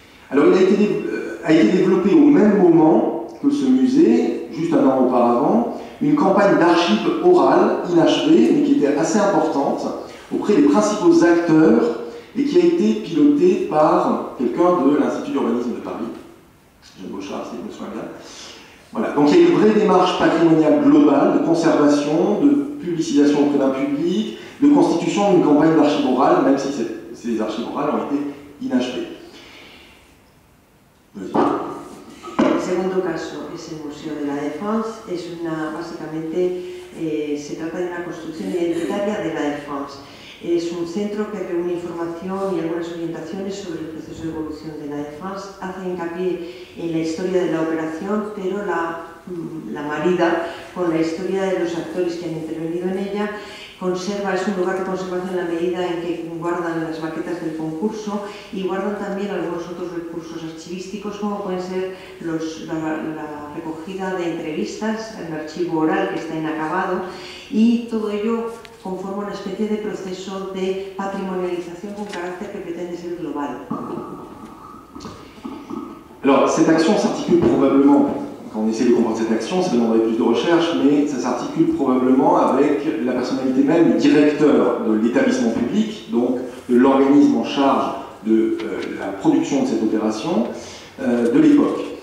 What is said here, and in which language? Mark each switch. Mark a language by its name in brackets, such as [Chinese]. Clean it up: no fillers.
[French] Alors il a été développé au même moment que ce musée, juste un an auparavant, une campagne d'archives orales inachevée, mais qui était assez importante, auprès des principaux acteurs, et qui a été pilotée par quelqu'un de l'Institut d'urbanisme de Paris, Jean Bochard, si je me souviens bien. Voilà. Donc il y a une vraie démarche patrimoniale globale de conservation, de publicisation auprès d'un public, de constitution d'une campagne d'archives orales, même si ces archives orales ont été inachevées. [Spanish] Segundo caso es el Museo de la Défense. Es una, básicamente, se trata de una construcción identitaria de la Défense. Es un centro que reúne información y algunas orientaciones sobre el proceso de evolución de la Défense. Hace hincapié en la historia de la operación, pero la marida con la historia de los actores que han intervenido en ella. Conserva, es un lugar de conservación en la medida en que guardan las maquetas del concurso y guardan también algunos otros recursos archivísticos, como pueden ser la recogida de entrevistas, el archivo oral que está inacabado, y todo ello conforma una especie de proceso de patrimonialización con carácter que pretende ser global. [French] Alors, cette action s'articule probablement, quand on essaie de comprendre cette action, ça demanderait plus de recherche, mais ça s'articule probablement avec la personnalité même du directeur de l'établissement public, donc de l'organisme en charge de la production de cette opération, de l'époque.